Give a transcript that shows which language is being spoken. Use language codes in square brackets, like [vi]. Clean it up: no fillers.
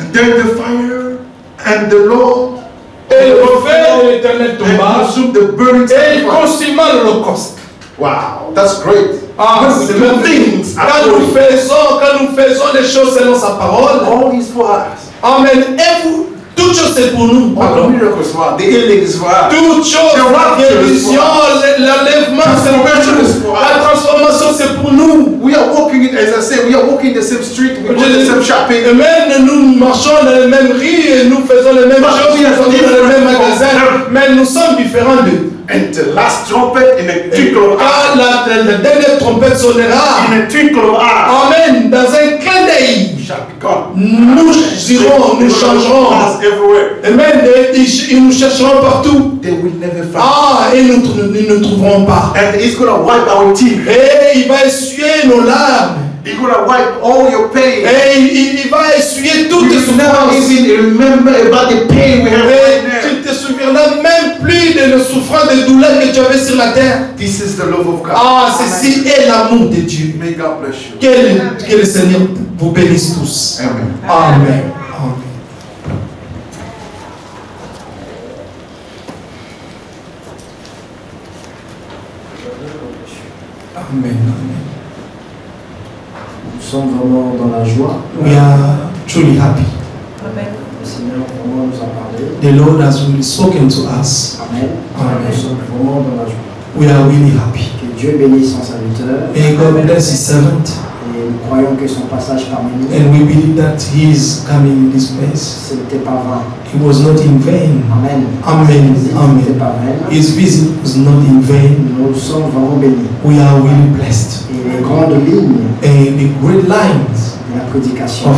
[en] Then the fire and the Lord and the [fr] l'éternel tomba et il consuma l'holocauste. [en] Wow, that's great. [fr] Ah, c'est même [en] things. [fr] Quand nous faisons les choses selon sa parole, [en] all is for us. [fr] Amen. Et vous, toutes choses c'est pour nous. [en] All the miracles for us. The healing is for us. [fr] Toutes choses, la guérison, l'enlèvement, c'est pour nous. La transformation c'est pour nous. [en] We are walking, as I said, we are walking the same street, we go the same shopping. Amen. [fr] Nous marchons dans les mêmes rues et nous faisons les mêmes choses, nous sommes dans les mêmes magasins, mais nous sommes différents d'eux. [en] And the last trumpet in a twinkle of eyes. [fr] Ah, la dernière trompette sonnera. [en] In a twinkle of eyes. [fr] Amen. Dans un clin d'œil. Nous irons, nous changerons. Amen. Ils nous chercheront partout. [en] They will never find. [fr] Ah, et nous ne trouverons pas. [en] And he's gonna wipe our tears. [fr] Et il va essuyer nos larmes. [en] He's gonna wipe all your pain. [fr] Hey, il va essuyer toutes tes souffrances. [en] You never remember about the pain we have. [fr] Tu te souviendras même plus de nos souffrances, des douleurs que tu avais sur la terre. [en] This is the love of God. [fr] Ah, ceci est l'amour de Dieu. [en] May God bless you. [fr] Que le Seigneur vous bénisse tous. Amen. Amen. Amen. Amen. Nous sommes vraiment dans la joie. [en] We are truly happy. Amen. [fr] Le Seigneur vraiment nous a parlé. [en] The Lord has really spoken to us. Amen. Amen. [fr] Nous sommes vraiment dans la joie. [en] We are really happy. [fr] Que Dieu bénisse son serviteur. [en] May God bless his servant. [fr] Et nous croyons que son passage parmi nous. [en] And we believe that he is coming in this place. [fr] Ce n'était pas vain. [en] It was not in vain. Amen. Amen. Amen. Amen. His visit was not in vain. [fr] Nous sommes vraiment bénis. [en] We are really blessed. [fr] Les grandes lignes et les grandes lignes de la prédication